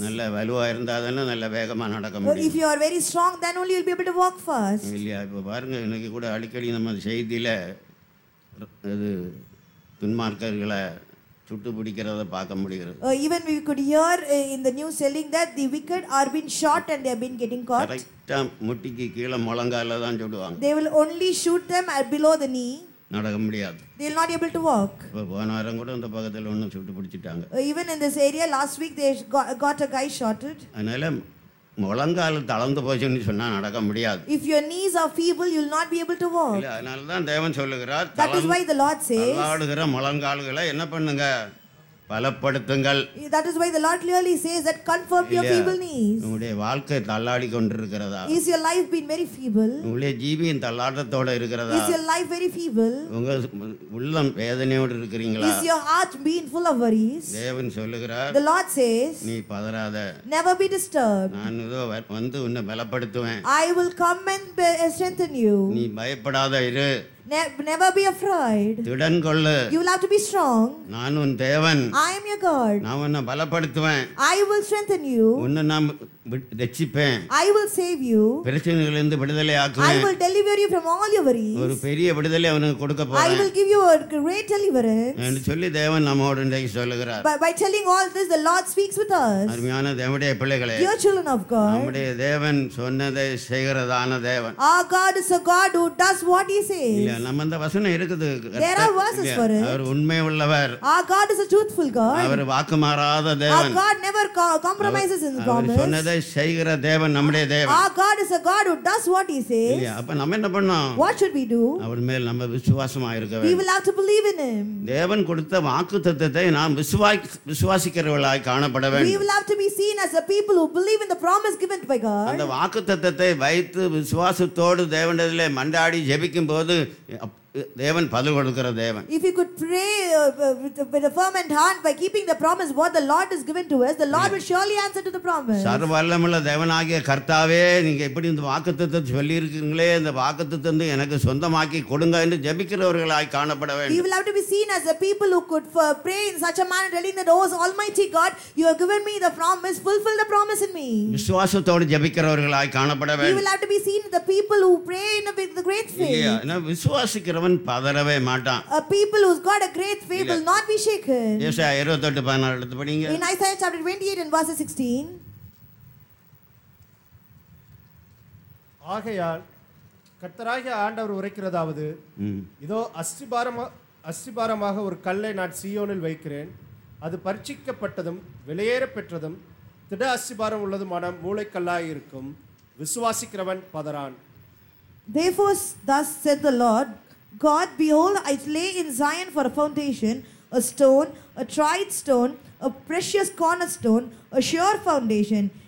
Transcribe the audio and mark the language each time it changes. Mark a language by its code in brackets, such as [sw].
[ta] நல்ல வலுவா இருந்தா தானே நல்ல வேகமா நடக்க முடியும். [en] If you are very strong then only you'll be able to walk fast. [ta] இல்லையா, இப்ப பாருங்க, இன்னைக்கு கூட அடிக்கடி நம்ம செய்தியில அது துன்மார்க்கர்களை சுட்டு பிடிக்கிறத பார்க்க முடிகிறது. [en] Even we could hear in the news telling that the wicked are been shot and they have been getting caught. [ta] கரெக்ட்டா முட்டிக்கு கீழ முழங்கால தான் சுடுவாங்க. [en] They will only shoot them below the knee. [ta] நடக்க முடியாது. [en] They will not able to walk. [ta] போனாரும் கூட அந்த பக்கத்துல ஒண்ணு சுட்டு பிடிச்சிட்டாங்க. [en] Even in this area last week they got a guy shotted. [ta] அதனால முழங்கால் தளர்ந்து போச்சுன்னு சொன்னா நடக்க முடியாது. [en] If your knees are feeble you will not be able to walk. [ta] இல்ல, அதனால தான் தேவன் சொல்றார், [en] that is why the Lord says [ta] தளர்ந்துகிற முழங்கால்களை என்ன பண்ணுங்க, பலப்படுத்துங்கள். [en] That is why the Lord clearly says that confirm your feeble knees. [ta] உங்களுடைய வாழ்க்கை தள்ளாடி கொண்டிருக்கிறதா? [en] Is your life been very feeble? [ta] உங்களுடைய ஜீவியின் தள்ளாட்டத்தோட இருக்கிறதா? [en] Is your life very feeble? [ta] உங்க உள்ளம் வேதனையோடு இருக்கிறீங்களா? [en] Is your heart been full of worries? [ta] தேவன் சொல்லுகிறார், [en] the Lord says [ta] நீ பதறாத, [en] never be disturbed. [ta] நான் இதோ வந்து உன்னை பலப்படுத்துவேன். [en] I will come and strengthen you. [ta] நீ பயப்படாத இரு. [en] Never be afraid. [ta] திடன் கொள்ளு. [en] You will have to be strong. [ta] நான் உன் தேவன். [en] I am your God. [ta] நான் உன்னை பலப்படுத்துவேன். [en] I will strengthen you. [ta] உன்னை நான் ரட்சிப்பேன். [en] I will save you. [ta] பிரச்சனைகளிலிருந்து விடுதலை ஆக்குவேன். [en] I will deliver you from all your worries. [ta] ஒரு பெரிய விடுதலை உனக்கு கொடுக்க போறேன். [en] I will give you a great deliverance. [ta] என்று சொல்லி தேவன் நம்மோடு இன்றைக்கு சொல்கிறார். [en] By telling all this the Lord speaks with us. [ta] அருமையான தேவனுடைய பிள்ளைகளே, [en] dear children of God, [ta] நம்முடைய தேவன் சொன்னதை செய்கிறதான தேவன். [en] Our God is a God who does what he says. [ta] நம்மنده வசனம் இருக்குது [en] there are verses for it [ta] அவர் உண்மையுள்ளவர் [en] our god is a truthful god [ta] அவர் வாக்குமாராத தேவன் [en] our god never compromises in his promise [ta] அவர் சொன்னதை செய்கிற தேவன் நம்முடைய தேவன் [en] our god is a god who does what he says [ta] அப்ப நாம என்ன பண்ணோம் [en] what should we do [ta] அவர் மேல் நம்ம விசுவாசமா இருக்க வேண்டும் [en] we will have to believe in him [ta] தேவன் கொடுத்த வாக்குத்தத்தத்தை நாம் விசுவாசிக்கிறவளாய் காணப்பட வேண்டும் [en] we will have to be seen as a people who believe in the promise given by god [ta] அந்த வாக்குத்தத்தத்தை வைத்து விசுவாசத்தோடு தேவனிடத்திலே மண்டாடி ஜெபிக்கும்போது தேவன் பதில் கொடுக்கிற தேவன் [en] if you could pray with a firm and hand by keeping the promise what the lord has given to us the lord will surely answer to the promise [ta] சர்வவல்லமுள்ள தேவனாகிய கர்த்தாவே நீங்க இப்படி இந்த வாக்குத்தத்தை சொல்லி இருக்கீங்களே அந்த வாக்குத்தத்தை எனக்கு சொந்தமாக்கி கொடுங்க என்று ஜெபிக்கிறவர்களாய் காணப்பட வேண்டும் [en] you will have to be seen as a people who could pray in such a manner telling that oh almighty god you have given me the promise fulfill the promise in me [ta] விசுவாசத்தோடு ஜெபிக்கிறவர்களாய் காணப்பட வேண்டும் [en] you will have to be seen the people who pray in with great faith [ta] நான் விசுவாசிக்க அவன் பதறவே மாட்டான் [en] a people who's got a great faith will not be shaken [ta] ஏசாயா 28 16 எடுத்து படிங்க [en] in Isaiah chapter 28 and verse 16 [ta] ஆகையால் கர்த்தராகிய ஆண்டவர் உரைக்கிறதாவது இதோ அஸ்திபாரமாக ஒரு கல்லை நான் சீயோனில் வைக்கிறேன் அது பரிசுத்தப்பட்டதும் விலையேற பெற்றதும் திட அஸ்திபாரம் உள்ளதுமான மூலைக்கல்லாய் இருக்கும் விசுவாசிக்கிறவன் பதறான் [en] therefore thus said the lord God, behold, I lay in Zion for a foundation, a stone, a tried stone, a precious cornerstone, a sure foundation.